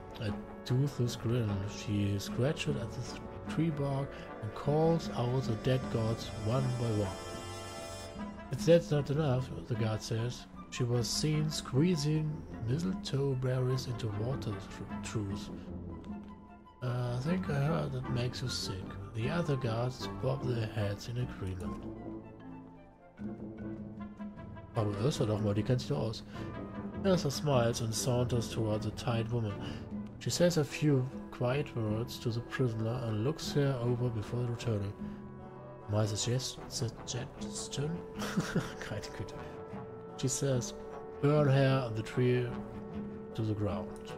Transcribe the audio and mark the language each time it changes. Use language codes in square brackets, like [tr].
[en] A toothless grin. She scratches at the tree bark and calls out the dead gods one by one. If that's not enough, the guard says, she was seen squeezing mistletoe berries into water troughs. I think I heard that makes you sick. The other guards bob their heads in agreement. [de] Aber hörst du doch mal, die kennt sich doch aus. [en] Elsa smiles and saunters towards the tied woman. She says a few quiet words to the prisoner and looks her over before returning. My suggestion? [de] Keine Güte. [en] She says, burn her on the tree to the ground.